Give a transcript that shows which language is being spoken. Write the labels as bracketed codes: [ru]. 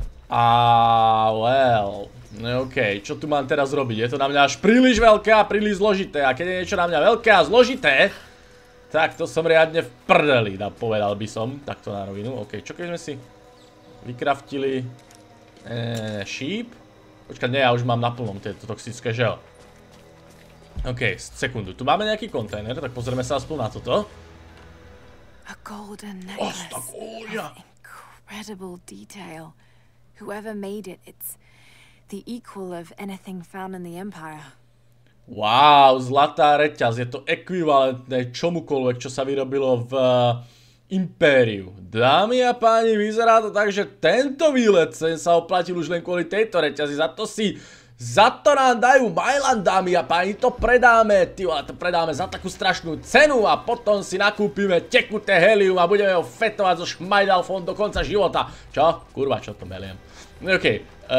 [sk] A well... No okej, čo tu mám teraz robiť? Je to na mňa až príliš veľké a príliš zložité. A keď je niečo na mňa veľké a zložité, tak to som riadne v prdeli, povedal by som. Takto na rovinu. Okej, čo keď sme si vycraftili šíp? Počkaj, nie, ja už mám na plnom tieto toxické, že jo? Okej, sekundu. Tu máme nejaký kontajner, tak pozrieme sa aspoň na toto. Osta kúľa! [en] Incredible detail. Whoever made it, it's... The equal of anything found in the Empire. [sk] Wow, zlatá reťaz, je to ekvivalentné čomukoľvek, čo sa vyrobilo v Impériu. Dámy a páni, vyzerá to tak, že tento výlet sa oplatil už len kvôli tejto reťazi. Za to nám dajú Mylan, dámy a páni, to predáme, ty vole, to predáme za takú strašnú cenu a potom si nakúpime tekuté helium a budeme ho fetovať so Šmajdalfom do konca života. Čo? Kurva, čo to meliem. Okej.